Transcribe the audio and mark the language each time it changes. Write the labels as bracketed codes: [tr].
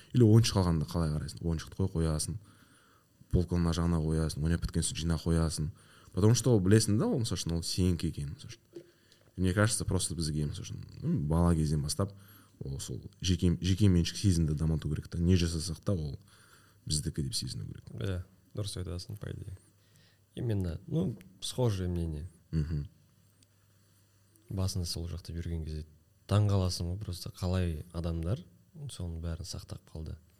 [kk] Или ойыншық алғанда қалай қарайсың? Ойыншықты қоясың, полканың мына жағына қоясың, ойнап біткен соң жинап қоясың. Потому что ол білесің да, ол мысалы ол сенікі екенін, мысалы. Мне кажется, просто бізге, мысалы, бала кезден бастап ол сол жеке меншік сезімді дамыту керек та, не жасасақ та ол біздікі деп сезіну керек. Иә, дұрыс айтасың, по идее. [ru] Именно, ну, схожее мнение. [kk] Басында сол жақта жүрген кезде таңғаласың ғой, просто қалай адамдар соның бәрін сақтап қалды.